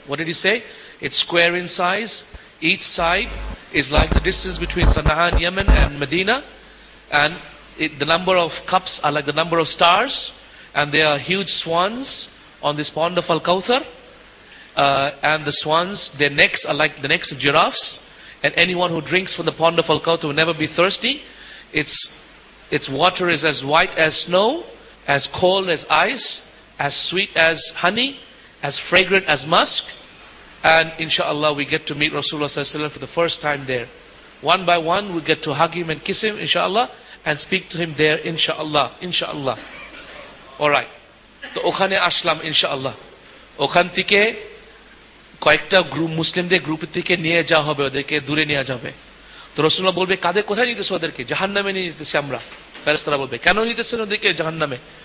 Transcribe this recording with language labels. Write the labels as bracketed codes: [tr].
[en] What did he say, it's square in size, each side is like the distance between Sanaa and Yemen and Medina, and the number of cups are like the number of stars, and they are huge swans on this pond of al Kawthar, and the swans, their necks are like the necks of giraffes, and anyone who drinks from the pond of Al-Kawthar will never be thirsty. Its water is as white as snow, as cold as ice, as sweet as honey, as fragrant as musk. And inshallah we get to meet Rasulullah sallallahu alaihi wasallam for the first time there. One by one we get to hug him and kiss him inshallah, and speak to him there inshallah, inshallah. All right, [bn] to okhane ashlam inshallah, okhan theke কয়েকটা group মুসলিমদের group থেকে নিয়ে যাওয়া হবে, ওদেরকে দূরে নিয়ে যাবে। তো রসুল্লাহ বলবে, কাদের কোথায় নিতেছো ওদেরকে? জাহান্নামে নিয়ে নিতেছি আমরা। ফেরেশতারা বলবে, কেন নিতেছেন ওদেরকে জাহান্নামে?